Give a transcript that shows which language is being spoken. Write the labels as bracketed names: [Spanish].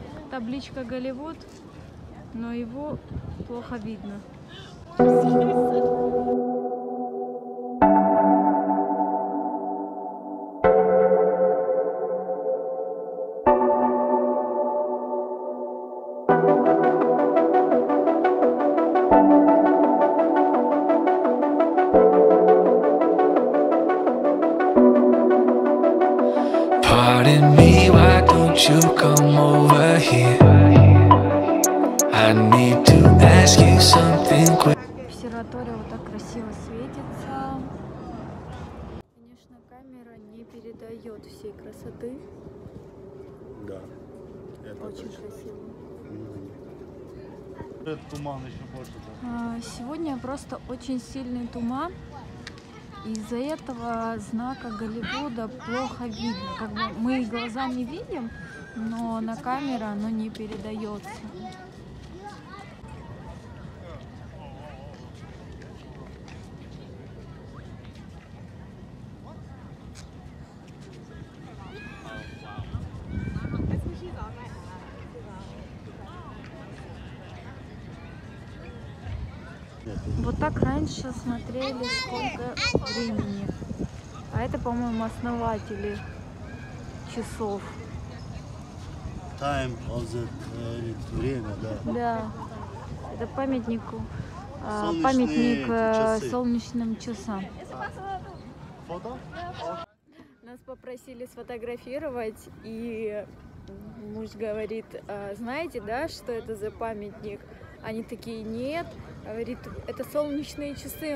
[Russian] табличка Голливуд, но его плохо видно. [English] Pardon me, why don't you come over here? I need to ask you something quick. [Russian] Обсерватория вот так красиво светится. Конечно, камера не передает всей красоты. Да. Это очень красиво. Этот туман еще больше. Сегодня просто очень сильный туман. Из-за этого знака Голливуда плохо видно. Как бы мы глаза не видим, но на камеру оно не передается. Вот так раньше смотрели, сколько времени. А это, по-моему, основатели часов. [English] Time of the [Russian] время, да. Да. Это памятник. Памятник солнечным часам. Фото? Нас попросили сфотографировать, и муж говорит, знаете, да, что это за памятник? Они такие, нет. Говорит, это солнечные часы.